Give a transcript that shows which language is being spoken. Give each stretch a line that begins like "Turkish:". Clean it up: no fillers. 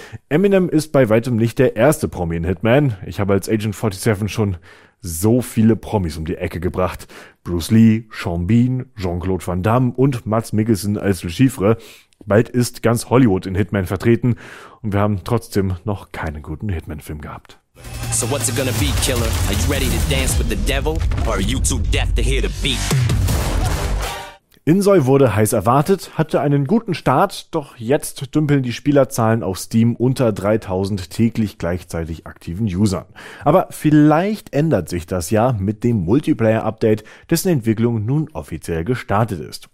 German: Eminem ist bei weitem nicht der erste Promi in Hitman. Ich habe als Agent 47 schon so viele Promis um die Ecke gebracht. Bruce Lee, Sean Bean, Jean-Claude Van Damme und Mads Mikkelsen als Le Chiffre. Bald ist ganz Hollywood in Hitman vertreten und wir haben trotzdem noch keinen guten Hitman-Film gehabt.
English: So what's it gonna be, killer? Are you ready to dance with the devil? Or are you too deaf to hear the beat?
German: Insoy wurde heiß erwartet, hatte einen guten Start, doch jetzt dümpeln die Spielerzahlen auf Steam unter 3000 täglich gleichzeitig aktiven Usern. Aber vielleicht ändert sich das ja mit dem Multiplayer-Update, dessen Entwicklung nun offiziell gestartet ist.